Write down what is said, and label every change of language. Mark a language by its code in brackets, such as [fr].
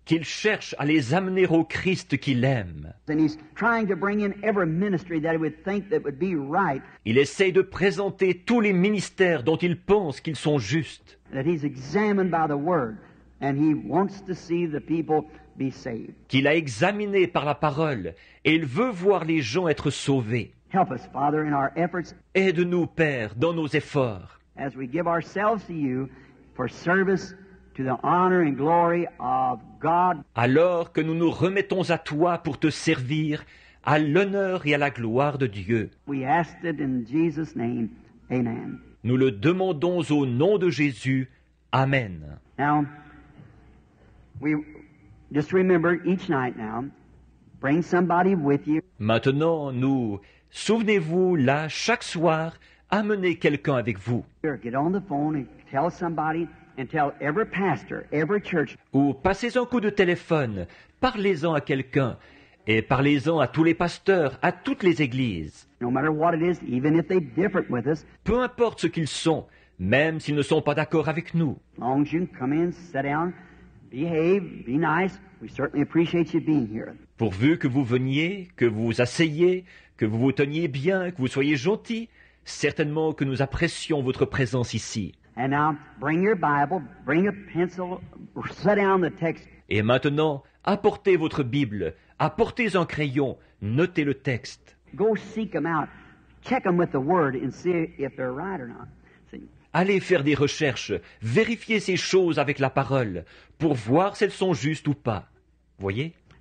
[fr] Qu'il cherche à les amener au Christ qu'il aime. [en] And he's trying to bring in every ministry that he would think that would be right. [fr] Il essaie de présenter tous les ministères dont il pense qu'ils sont justes. [en] That he's examined by the Word. And he wants to see the people be saved. [fr] Qu'il a examiné par la parole et il veut voir les gens être sauvés. [en] Help us, Father, in our efforts. [fr] Aide-nous, Père, dans nos efforts. [en] As we give ourselves to you for service to the honor and glory of God. [fr] Alors que nous nous remettons à toi pour te servir à l'honneur et à la gloire de Dieu. [en] We ask it in Jesus' name. Amen. [fr] Nous le demandons au nom de Jésus. Amen. [en] Now, we just remember each night now, bring somebody with you. [fr] Maintenant, nous, souvenez-vous là, chaque soir, amenez quelqu'un avec vous. [en] Here, get on the phone and tell somebody and tell every pastor, every church. [fr] Ou passez un coup de téléphone, parlez-en à quelqu'un et parlez-en à tous les pasteurs, à toutes les églises. [en] No matter what it is, even if they differ with us. [fr] Peu importe ce qu'ils sont, même s'ils ne sont pas d'accord avec nous. [en] As long as you can come in, sit down. Behave, be nice. We certainly appreciate you being here. [fr] Pourvu que vous veniez, que vous vous asseyiez, que vous vous teniez bien, que vous soyez gentil, certainement que nous apprécions votre présence ici. [en] And now, bring your Bible, bring a pencil, set down the text. [fr] Et maintenant, apportez votre Bible, apportez un crayon, notez le texte. [en] Go seek them out, check them with the Word and see if they're right or not. [fr] Allez faire des recherches, vérifier ces choses avec la parole pour voir si elles sont justes ou pas. Voyez?